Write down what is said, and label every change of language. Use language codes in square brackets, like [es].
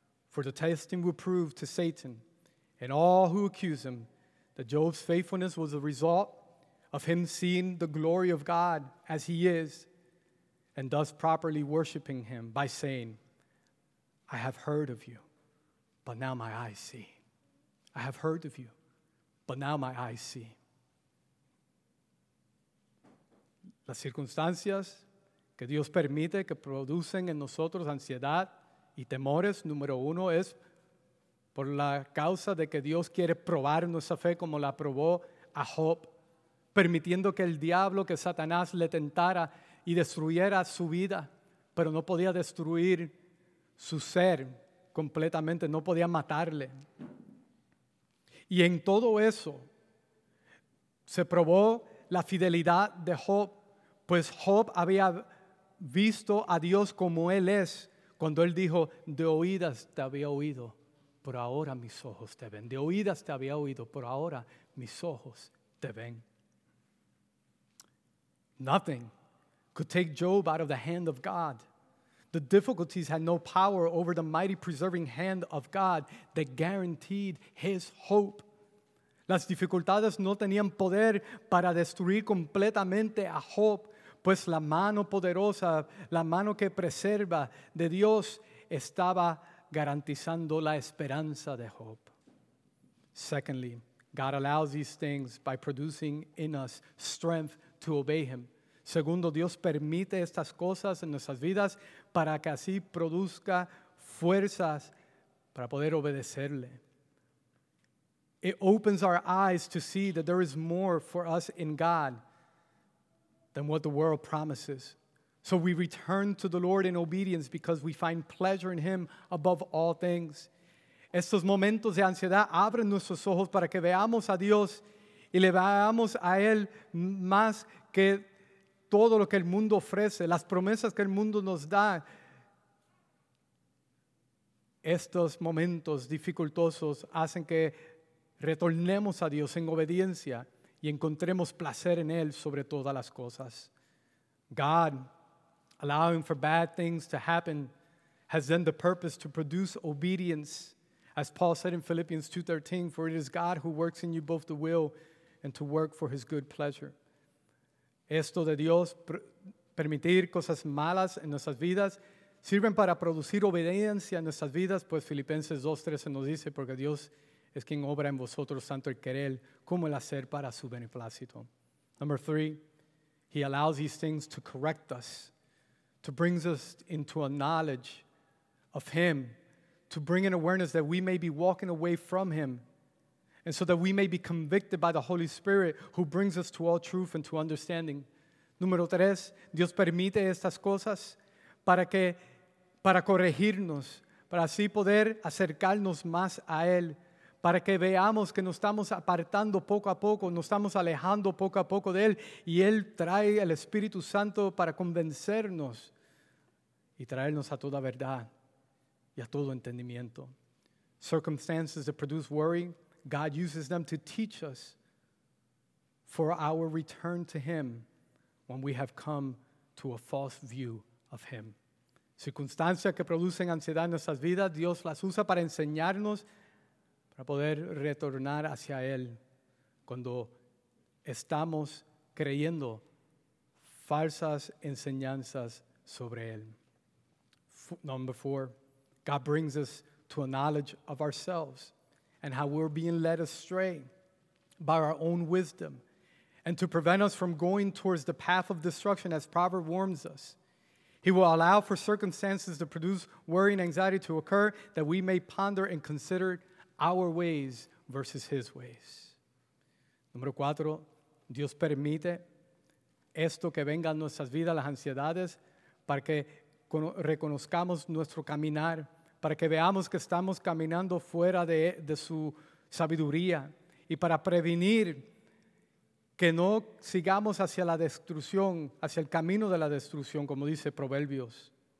[en] For the testing would prove to Satan and all who accuse him that Job's faithfulness was a result of him seeing the glory of God as he is and thus properly worshiping him by saying, I have heard of you, but now my eyes see. I have heard of you, but now my eyes see. [es] Las circunstancias que Dios permite que producen en nosotros ansiedad y temores, número uno, es por la causa de que Dios quiere probar nuestra fe como la probó a Job, permitiendo que el diablo, que Satanás le tentara y destruyera su vida, pero no podía destruir su ser completamente, no podía matarle. Y en todo eso se probó la fidelidad de Job, pues Job había visto a Dios como Él es, cuando Él dijo, de oídas te había oído, pero ahora mis ojos te ven. De oídas te había oído, pero ahora mis ojos te ven. [en] Nothing could take Job out of the hand of God. The difficulties had no power over the mighty preserving hand of God that guaranteed his hope. [es] Las dificultades no tenían poder para destruir completamente a Job, pues la mano poderosa, la mano que preserva de Dios, estaba garantizando la esperanza de Job. [en] Secondly, God allows these things by producing in us strength to obey him. [es] Segundo, Dios permite estas cosas en nuestras vidas para que así produzca fuerzas para poder obedecerle. [en] It opens our eyes to see that there is more for us in God than what the world promises. So we return to the Lord in obedience because we find pleasure in him above all things. [es] Estos momentos de ansiedad abren nuestros ojos para que veamos a Dios y le veamos a Él más que todo lo que el mundo ofrece, las promesas que el mundo nos da. Estos momentos dificultosos hacen que retornemos a Dios en obediencia y encontremos placer en Él sobre todas las cosas. [en] God, allowing for bad things to happen, has then the purpose to produce obedience. As Paul said in Philippians 2:13, for it is God who works in you both to will and to work for his good pleasure. [es] Esto de Dios permitir cosas malas en nuestras vidas sirven para producir obediencia en nuestras vidas, pues Filipenses 2:13 nos dice, porque Dios es quien obra en vosotros tanto el querer como el hacer para su beneplácito. [en] Number three, he allows these things to correct us, to bring us into a knowledge of him, to bring an awareness that we may be walking away from him, and so that we may be convicted by the Holy Spirit who brings us to all truth and to understanding. [es] Número tres, Dios permite estas cosas para corregirnos, para así poder acercarnos más a él, para que veamos que nos estamos apartando poco a poco, nos estamos alejando poco a poco de Él, y Él trae el Espíritu Santo para convencernos y traernos a toda verdad y a todo entendimiento. [en] Circumstances that produce worry, God uses them to teach us for our return to Him when we have come to a false view of Him. [es] Circunstancias que producen ansiedad en nuestras vidas, Dios las usa para enseñarnos para poder retornar hacia Él cuando estamos creyendo falsas enseñanzas sobre él. [en] Number four, God brings us to a knowledge of ourselves and how we're being led astray by our own wisdom, and to prevent us from going towards the path of destruction, as Proverbs warns us. He will allow for circumstances to produce worry and anxiety to occur, that we may ponder and consider our ways versus his ways. [es] Número cuatro, Dios permite esto que venga a nuestras vidas, las ansiedades, para que reconozcamos nuestro caminar, para que veamos que estamos caminando fuera de su sabiduría, y para prevenir que no sigamos hacia la destrucción, hacia el camino de la destrucción, como dice Proverbios.